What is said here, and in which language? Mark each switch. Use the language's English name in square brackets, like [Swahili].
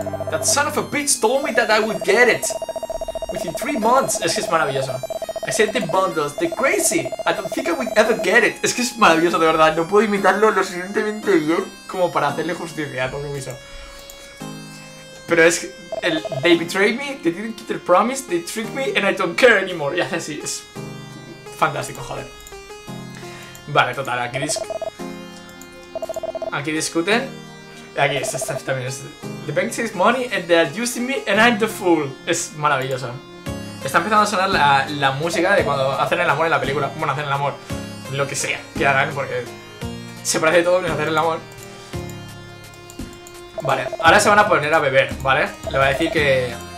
[English] That son of a bitch told me that I would get it within 3 months. [Spanish] Es que es maravilloso. [English] I sent the bundles, they're crazy. I don't think I would ever get it. [Spanish] Es que es maravilloso, de verdad. No puedo imitarlo lo suficientemente bien como para hacerle justicia, por lo mismo. Pero es que [English] they betrayed me, they didn't keep their promise, they tricked me and I don't care anymore. [Spanish] Y hace así, es fantástico, joder. Vale, total, aquí discuten. Aquí, esta también es... [English] The bank takes money and they are using me and I'm the fool. [Spanish] Es maravilloso. Está empezando a sonar la música de cuando hacen el amor en la película. Bueno, hacen el amor, lo que sea que hagan, porque se parece todo menos hacer el amor. Vale, ahora se van a poner a beber, ¿vale? Le va a decir que...